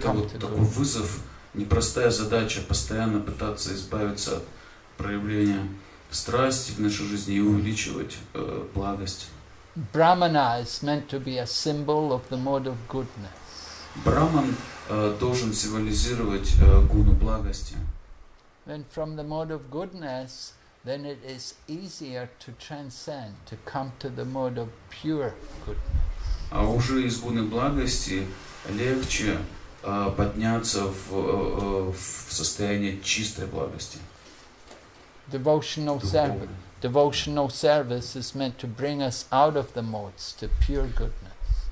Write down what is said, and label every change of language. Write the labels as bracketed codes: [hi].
[en] come to the [ru] вызов, непростая задача постоянно пытаться избавиться от проявление страсти в нашей жизни и увеличивать благость. [en] Brahmana is meant to be a symbol of the mode of goodness. [ru] Brahman должен символизировать гуну благости. [en] And from the mode of goodness, then it is easier to transcend, to come to the mode of pure goodness. [ru] А уже из гуны благости легче подняться в состояние чистой благости. [en] Devotional service. Devotional service is meant to bring us out of the modes to pure goodness.